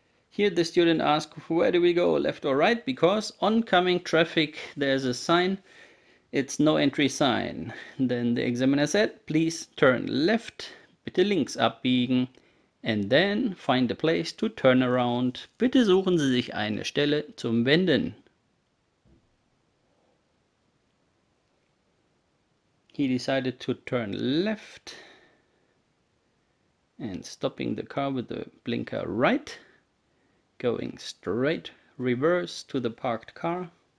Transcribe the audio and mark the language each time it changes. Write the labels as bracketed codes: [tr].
[en] Here the student asks, where do we go, left or right? Because oncoming traffic, there's a sign. It's no entry sign. Then the examiner said, please turn left, [de] bitte links abbiegen, [en] and then find a place to turn around. [de] Bitte suchen Sie sich eine Stelle zum Wenden. [en] He decided to turn left and stopping the car with the blinker right, going straight reverse to the parked car.